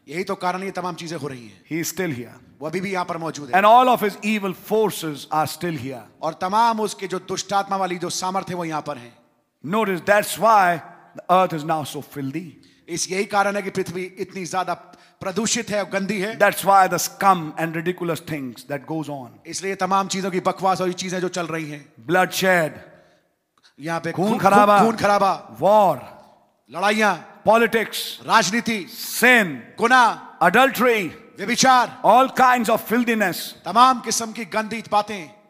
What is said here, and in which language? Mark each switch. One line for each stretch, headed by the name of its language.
Hindi: यही तो कारण ये तमाम चीजें हो रही हैं.
English: He is still here.
Hindi: वो अभी भी यहाँ पर मौजूद है.
English: And all of his evil forces are still here.
Hindi: और तमाम उसके जो दुष्टात्मा वाली जो सामर्थ्य वो यहाँ पर हैं.
English: Notice that's why the earth is now so filthy.
Hindi: इस यही कारण है कि पृथ्वी इतनी ज़्यादा प्रदूषित है और गंदी है.
English: That's why the scum and ridiculous things that goes on.
Hindi: इसलिए तमाम चीजों की बकवास और ये चीजें जो चल रही हैं.
English: Bloodshed.
Hindi: यहाँ पे खून खराबा.
English: War.
Hindi: लड़ाइयाँ.
English: Politics,
Hindi: राजनीति,
English: sin,
Hindi: गुना,
English: adultery,
Hindi: व्यभिचार,
English: all kinds of filthiness,
Hindi: तमाम किस्म की गंदी बातें